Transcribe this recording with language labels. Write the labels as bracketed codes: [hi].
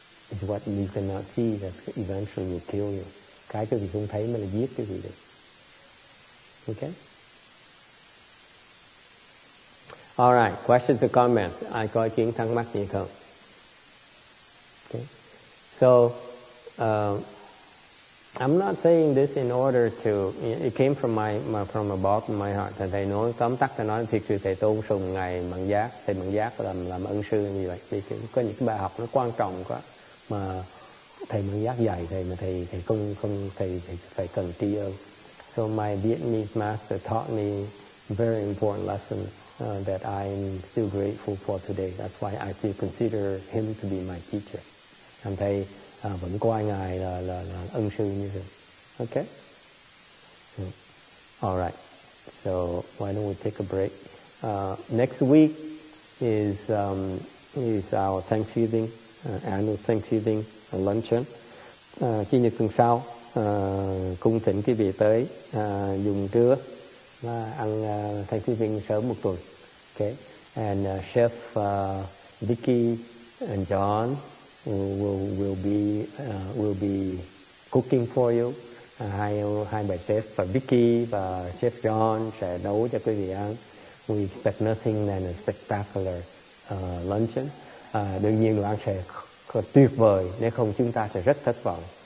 [en] Is what you cannot see that eventually will kill you. [vi] Cái quý vị không thấy mà là giết quý vị được. Okay? [en] All right, questions or comments? [vi] Ai có ý kiến thắc mắc gì không? [en] Okay. So, I'm not saying this in order to, it came from the bottom of my heart. [vi] Thầy nói, tóm tắt thầy nói, thiệt sự thầy tôn sùng ngày Mạng Giác, thầy Mạng Giác làm ân sư như vậy. Thì có những cái bài học nó quan trọng quá. Mà thầy Mạng Giác dạy thầy mà thầy không thầy phải cần tri ân. [en] So my Vietnamese master taught me very important lesson that I'm still grateful for today. That's why I still consider him to be my teacher. [vi] And thầy vẫn coi ngài là ân sư như thế. [en] Okay. All right. So why don't we take a break? Next week is our Thanksgiving. Annual Thanksgiving luncheon. [vi] Chủ nhật tuần sau, cung thỉnh quý vị tới dùng trưa ăn Thanksgiving sớm một tuần. [en] Okay. And Chef Vicky and John will be cooking for you. [vi] Hai bà chef Vicky và Chef John sẽ nấu cho quý vị ăn. [en] We expect nothing than a spectacular luncheon. [vi] Đương nhiên đồ ăn sẽ tuyệt vời, nếu không chúng ta sẽ rất thất vọng.